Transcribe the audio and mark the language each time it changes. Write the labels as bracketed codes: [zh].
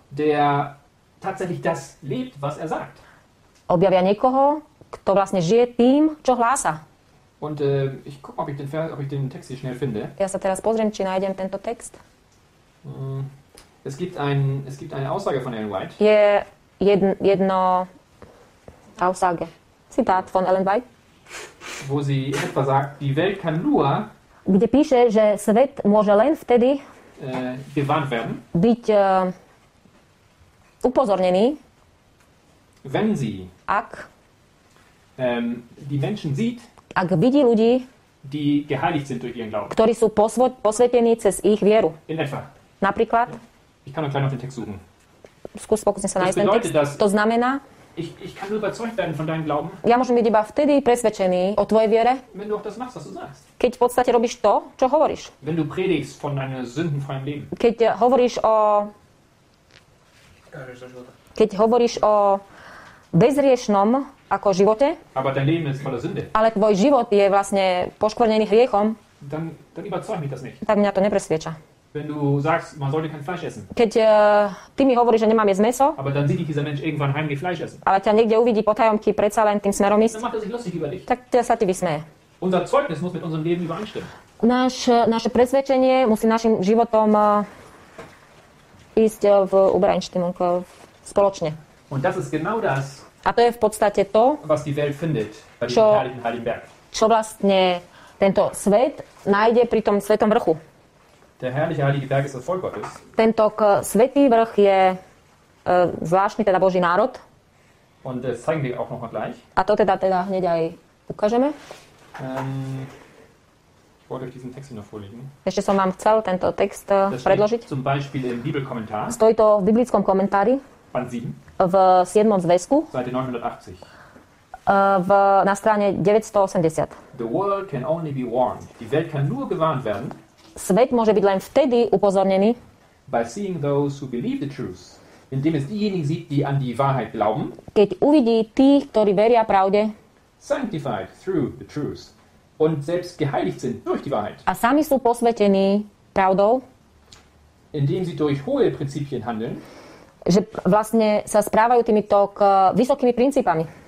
[de] der tatsächlich das lebt, was er sagt. [sk] Objavia niekoho, kto vlastne žije tým, čo hlása. [de] Und ich guck mal, ob ich den Text hier schnell finde. [sk] Ja sa teraz pozriem, či nájdem tento text. [de] Es gibt eine Aussage von Ellen White. [sk] Je jedno [de] Aussage. [sk] Citát [de] von [sk] Ellen White. [de] Wo sie etwa sagt, die Welt kann nur, [sk] kde píše, že svet môže len vtedy [de] gewarnt werden. [sk] Byť upozornený. [de] Wenn sie [sk] ak [de] die Menschen sieht, [sk] ak vidí ľudí, [de] die geheiligt sind durch ihren Glauben. [sk] Ktorí sú posvetení cez ich vieru. [de] In etwa. [sk] Napríklad. [de] Ich kann noch klein auf den Text suchen. [sk] Skús pokúsim sa nájsť ten text. To znamená, [de] Ich kann nur überzeugt werden von deinem Glauben. [sk] Ja môžem byť iba vtedy presvedčený o tvojej viere. [de] Wenn du auch das machst, was du sagst. [sk] Keď v podstate robíš to, čo hovoríš. [de] Wenn du predigst von deinem sündenfreien Leben. [sk] Keď hovoríš o bezriešnom ako živote. [de] Aber dein Leben ist voller Sünde. [sk] Ale tvoj život je vlastne poškvrnený hriechom. [de] Dann überzeug mich das nicht. [sk] Tak mňa to nepresvieča. [de] Wenn du sagst, man sollte kein Fleisch essen. [sk] Keď ty mi hovoríš, že nemám jesť mäso. [de] Aber dann sieht dich dieser Mensch irgendwann heimlich Fleisch essen. [sk] Ale ťa niekde uvidí po tajomky predsa len tým smerom ísť. [de] Dann macht er sich lustig über dich. [sk] Tak ťa sa ty vysmeje. [de] Unser Zeugnis muss mit unserem Leben übereinstimmen. [sk] Naše presvedčenie musí našim životom ísť v [de] übereinstimmung [sk] spoločne. [de] Und das ist genau das. [sk] A to je v podstate to, [de] was die Welt findet, [sk] čo, čo vlastne tento svet nájde pri tom svetom vrchu. [de] Der herrliche heilige Berg ist das Volk Gottes. [sk] Tento svätý vrch je zvláštny, teda Boží národ. [de] Und das zeigen wir auch noch mal gleich. [sk] A to teda hneď aj ukážeme. [de] Ich wollte euch diesen Text noch vorlegen. [sk] Ešte som vám chcel tento text predložiť. [de] Zum Beispiel im Bibelkommentar. [sk] Stojí to v biblickom komentári. [de] Band 7. [sk] V 7. zväzku. [de] Seite 980. [sk] Na strane 980. [en] The world can only be warned. [de] Die Welt kann nur gewarnt werden. [sk] Svet môže byť len vtedy upozornený. [en] By seeing those who believe the truth. [de] Indem es diejenigen sieht, die an die Wahrheit glauben. [sk] Keď uvidí tých, ktorí veria pravde. [en] Sanctified through the truth. [de] Und selbst geheiligt sind durch die Wahrheit. [sk] A sami sú posvetení pravdou. [de] Indem sie durch hohe Prinzipien handeln. [sk] Že vlastne sa správajú týmito k vysokými princípami.